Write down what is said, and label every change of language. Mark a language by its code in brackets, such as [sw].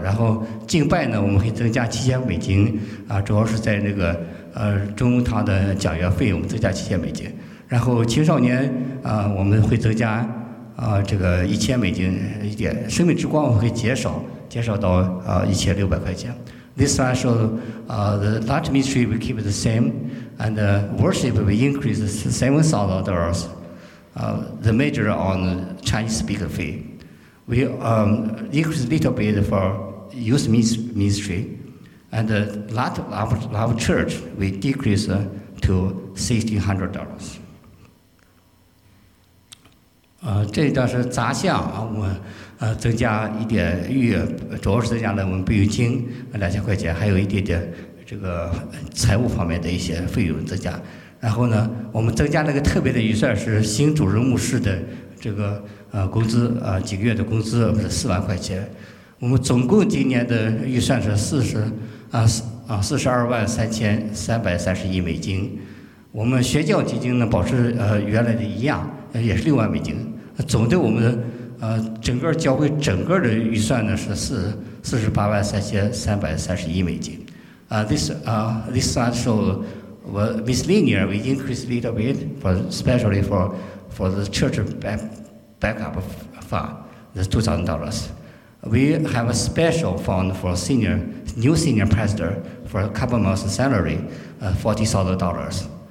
[zh] 然后敬拜呢，我们会增加$7,000，主要是在那个。中堂的讲员费我们增加$7,000，然后青少年我们会增加这个$1,000一点，生命之光我们会减少到1,600块钱。 [en] This one shows the large ministry we keep the same, and worship we increase $7,000. The major on Chinese speaker fee, we increase a little bit for youth ministry. And the lot of our church, we decrease to $1,600. [zh] 这倒是杂项啊，我增加一点预约，主要是增加了我们备用金2,000块钱，还有一点点这个财务方面的一些费用增加。然后呢，我们增加那个特别的预算是新主任牧师的这个工资几个月的工资是40,000块钱。我们总共今年的预算是42,333,000美金，我们学校基金呢保持原来的一样，也是$60,000。总的我们整个教会整个的预算呢是48,333,000美金。 [en] This one show miscellaneous we increase a little bit especially for the church backup fund, the $2,000. We have a special fund for new senior pastor for a couple months salary, $40,000.